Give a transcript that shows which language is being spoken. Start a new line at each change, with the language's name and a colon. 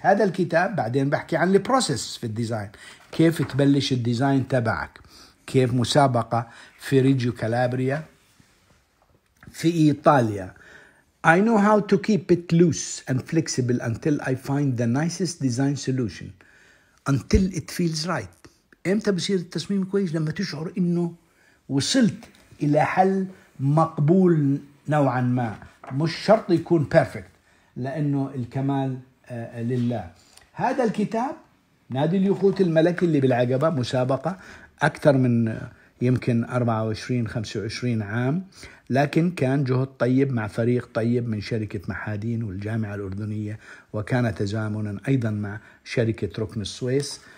Arabic: هذا الكتاب بعدين بحكي عن البروسيس في الديزاين, كيف تبلش الديزاين تبعك, كيف مسابقة في ريجيو كالابريا في إيطاليا.
English: I know how to keep it loose and flexible until I find the nicest design solution. Until it feels right.
Arabic: إمتى بصير التصميم كويس؟ لما تشعر إنه وصلت إلى حل مقبول نوعا ما. مش شرط يكون perfect, لأنه الكمال لله. هذا الكتاب نادي اليخوت الملكي اللي بالعقبة, مسابقة أكثر من يمكن 24-25 عام, لكن كان جهد طيب مع فريق طيب من شركة مهادين والجامعة الأردنية, وكان تزامنا أيضا مع شركة ركن السويس.